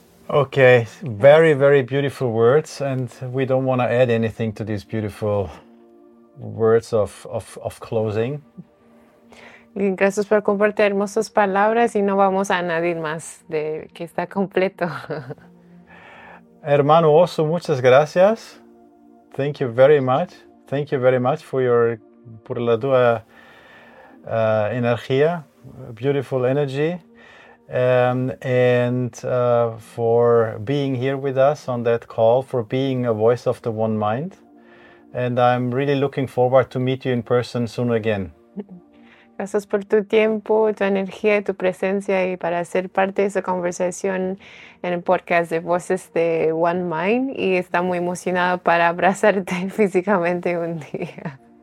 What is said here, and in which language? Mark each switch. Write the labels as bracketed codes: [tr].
[en] Okay, very, very beautiful words, and we don't want to add anything to these beautiful words of closing. [es] Gracias por compartir hermosas palabras y no vamos a añadir más de que está completo. Hermano Oso, muchas gracias. [en] Thank you very much. Thank you very much [es] por la tua energía, [en] beautiful energy, and for being here with us on that call, for being a voice of the one mind. And I'm really looking forward to meet you in person soon again. [es] Gracias por tu tiempo, tu energía, tu presencia y para ser parte de esa conversación en el podcast de Voces de One Mind. Y está muy emocionado para abrazarte físicamente un día.